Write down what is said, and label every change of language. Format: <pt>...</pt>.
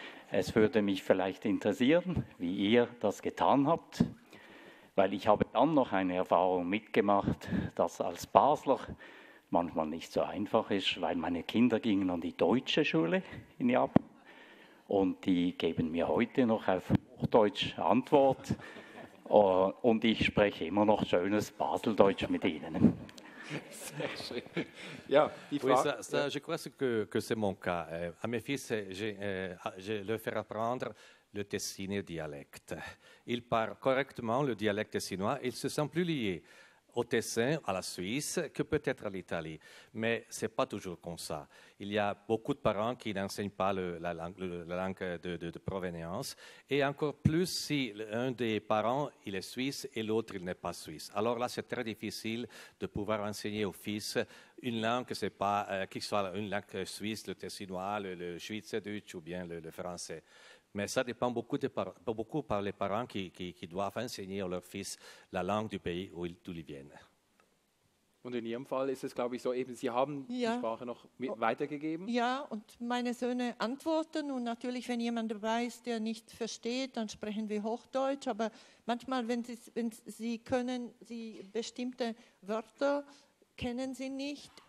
<de>Es würde mich vielleicht interessieren, wie ihr das getan habt, weil ich habe dann noch eine Erfahrung mitgemacht, dass als Basler manchmal nicht so einfach ist, weil meine Kinder gingen an die deutsche Schule in Japan und die geben mir heute noch auf Deutsch Antwort und ich spreche immer noch schönes Baseldeutsch mit Ihnen. Sehr schön. Ja, die Frage.</de> <fr>Je crois que c'est mon cas. À mes fils, je leur fais apprendre le Tessinien dialect. Il parle correctement le dialect tessinois. Il se sent plus lié au Tessin, à la Suisse, que peut-être à l'Italie. Mais ce n'est pas toujours comme ça. Il y a beaucoup de parents qui n'enseignent pas la langue de provenance. Et encore plus si un des parents, il est suisse et l'autre, il n'est pas suisse. Alors là, c'est très difficile de pouvoir enseigner au fils une langue, c'est pas, qu'il soit une langue suisse, le tessinois, le schweizerdeutsch ou bien le français. Mais ça dépend beaucoup par les parents qui doivent enseigner à leur fils la langue du pays où ils viennent.</fr> <de>Und in Ihrem Fall ist es, glaube ich, so eben, Sie haben ja die Sprache noch weitergegeben. Ja, und meine Söhne antworten. Und natürlich, wenn jemand dabei ist, der nicht versteht, dann sprechen wir Hochdeutsch. Aber manchmal, wenn sie bestimmte Wörter kennen sie nicht.</de>